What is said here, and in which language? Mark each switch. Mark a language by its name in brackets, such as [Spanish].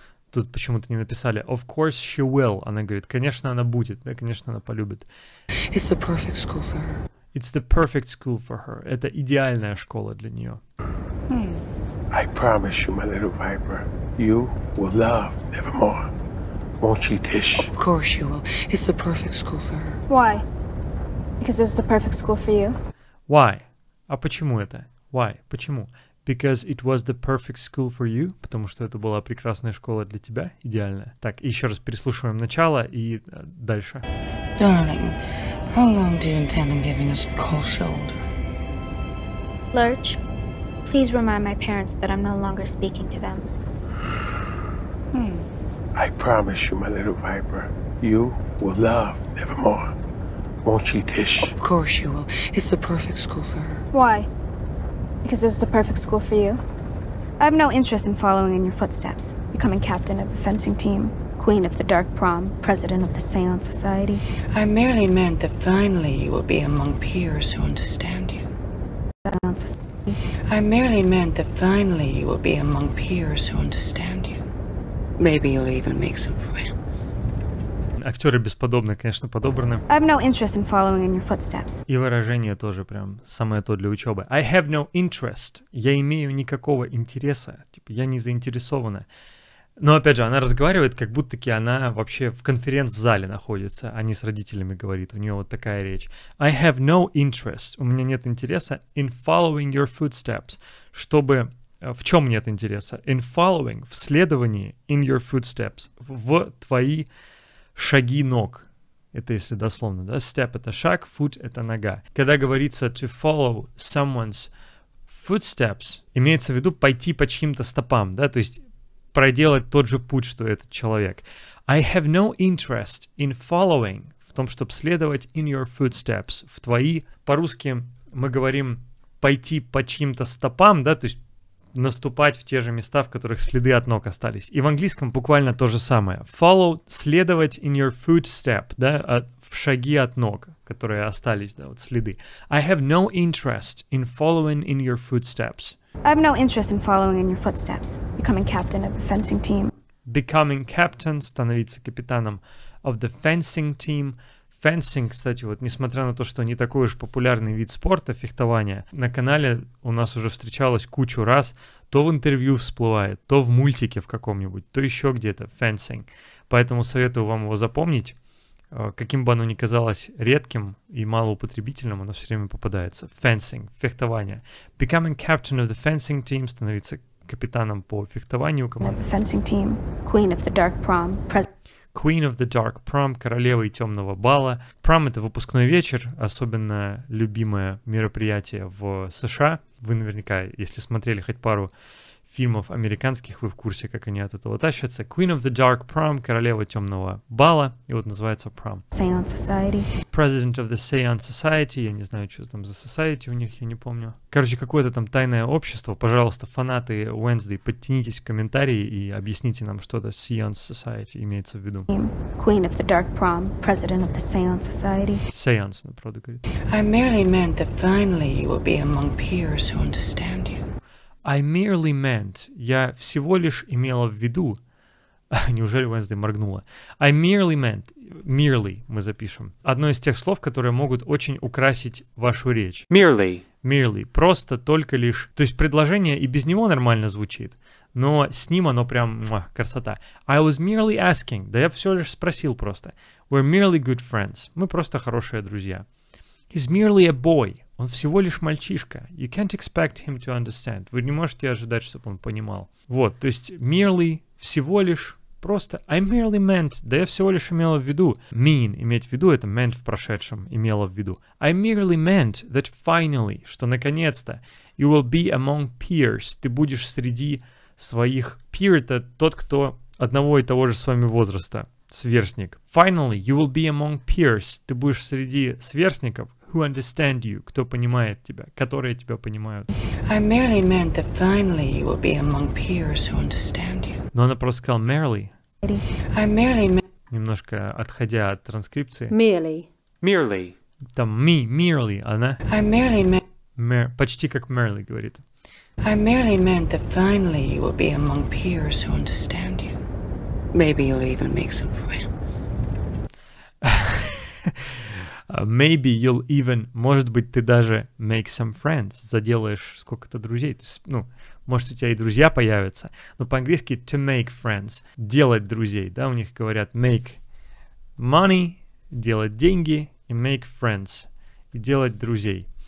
[Russian] Тут почему-то не написали [English] of course she will. [Russian] Она говорит, конечно, она будет, да, конечно, она полюбит. [English] It's the perfect school for her. It's the perfect school for her. [Russian] Это идеальная школа для нее. [English] I promise you, my little viper, you will love nevermore. Won't you, Tish? Of course you will. It's the perfect school for her. Why? Because it was the perfect school for you. Why? [Russian] А почему это? Why? Почему? [English] Because it was the perfect school for you. [Russian] Потому что это была прекрасная школа для тебя, идеальная. Так, еще раз переслушиваем начало и дальше. [English] Darling, how long do you intend on giving us the cold shoulder? Lurch, please remind my parents that I'm no longer speaking to them. I promise you, my little viper, you will love nevermore. Won't you, Tish? Of course you will. It's the perfect school for her. Why? Because it was the perfect school for you. I have no interest in following in your footsteps, becoming captain of the fencing team, queen of the dark prom, president of the seance society. I merely meant that finally you will be among peers who understand you. I merely meant that finally you will be among peers who understand you. Maybe you'll even make some friends. [Russian] Актеры бесподобные, конечно, подобраны. [English] I have no interest in following in your footsteps. [Russian] И выражение тоже прям самое то для учебы. [English] I have no interest. [Russian] Я имею никакого интереса. Типа, я не заинтересована. Но опять же, она разговаривает, как будто-таки она вообще в конференц-зале находится, а не с родителями говорит. У нее вот такая речь. [English] I have no interest. [Russian] У меня нет интереса [English] in following your footsteps. [Russian] Чтобы... В чем нет интереса? [English] In following, [Russian] в следовании, [English] in your footsteps, [Russian] в твои... Шаги ног. Это если дословно, да? Step — это шаг, foot — это нога. Когда говорится [English] to follow someone's footsteps, [Russian] имеется в виду пойти по чьим-то стопам, да? То есть проделать тот же путь, что этот человек. [English] I have no interest in following, [Russian] в том, чтобы следовать [English] in your footsteps, [Russian] в твои. По-русски мы говорим пойти по чьим-то стопам, да? То есть наступать в те же места, в которых следы от ног остались. И в английском буквально то же самое. Follow — следовать [English] in your footstep, [Russian] да, в шаги от ног, которые остались, да, вот следы. [English] I have no interest in following in your footsteps. I have no interest in following in your footsteps. Becoming captain of the fencing team. Becoming captain — [Russian] становиться капитаном [English] of the fencing team. [Russian] Фенсинг, кстати, вот несмотря на то, что не такой уж популярный вид спорта, фехтование, на канале у нас уже встречалось кучу раз, то в интервью всплывает, то в мультике в каком-нибудь, то еще где-то, фенсинг. Поэтому советую вам его запомнить, каким бы оно ни казалось редким и малоупотребительным, оно все время попадается. Фенсинг, фехтование. [English] Becoming captain of the fencing team, [Russian] становиться капитаном по фехтованию команды. [English] The fencing team, queen of the dark prom, president. Queen of the Dark Prom, [Russian] королевой темного бала. Prom — это выпускной вечер, особенно любимое мероприятие в США. Вы наверняка, если смотрели хоть пару фильмов американских, вы в курсе, как они от этого тащатся. [English] Queen of the Dark Prom, [Russian] королева темного бала. И вот называется Prom. [English] Seance Society. President of the Seance Society. [Russian] Я не знаю, что там за society у них, я не помню. Короче, какое-то там тайное общество. Пожалуйста, фанаты Wednesday, подтянитесь в комментарии и объясните нам, что это Seance Society имеется в виду. [English] Queen of the Dark Prom, president of the Seance Society. [Russian] Seance, на правду говорит. [English] I merely meant that finally you will be among peers who understand you. I merely meant, [Russian] я всего лишь имела в виду, неужели Wednesday моргнула, I merely meant, merely мы запишем, одно из тех слов, которые могут очень украсить вашу речь. [English] Merely. [Russian] Merely, просто, только лишь, то есть предложение и без него нормально звучит, но с ним оно прям, муах, красота. [English] I was merely asking, [Russian] да я всего лишь спросил просто. [English] We're merely good friends, [Russian] мы просто хорошие друзья. [English] He's merely a boy, [Russian] Он всего лишь мальчишка. [English] You can't expect him to understand. [Russian] Вы не можете ожидать, чтобы он понимал. Вот, то есть merely, всего лишь, просто [English] I merely meant, [Russian] да я всего лишь имела в виду. Mean, иметь в виду, это meant в прошедшем, имела в виду. [English] I merely meant that finally, [Russian] что наконец-то, [English] you will be among peers, [Russian] ты будешь среди своих. Peer — это тот, кто одного и того же с вами возраста, сверстник. [English] Finally, you will be among peers, [Russian] ты будешь среди сверстников. [English] Who understand you, [Russian] кто понимает тебя, которые тебя понимают. [English] I merely meant that finally you will be among peers who understand you. [Russian] Но она просто сказала merely. [English] I merely meant... [Russian] Немножко отходя от транскрипции. [English] Merely. Merely. [Russian] Там me, merely, она. [English] I merely meant... [Russian] почти как merely говорит. [English] I merely meant that finally you will be among peers who understand you. Maybe you'll even make some friends. Maybe you'll even, [Russian] может быть, ты даже [English] make some friends, [Russian] заделаешь сколько-то друзей. То есть, ну, может, у тебя и друзья появятся. Но по-английски [English] to make friends, [Russian] делать друзей. Да, у них говорят [English] make money, [Russian] делать деньги, и [English] make friends, [Russian] и делать друзей.